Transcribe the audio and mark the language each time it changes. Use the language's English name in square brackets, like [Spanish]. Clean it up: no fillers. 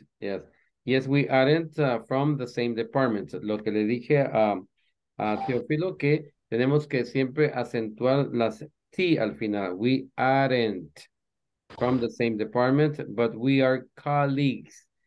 [English] Yes, yes we aren't from the same department. [Spanish] Lo que le dije a Teófilo, que tenemos que siempre acentuar las T al final. [English] We aren't from the same department, but we are colleagues.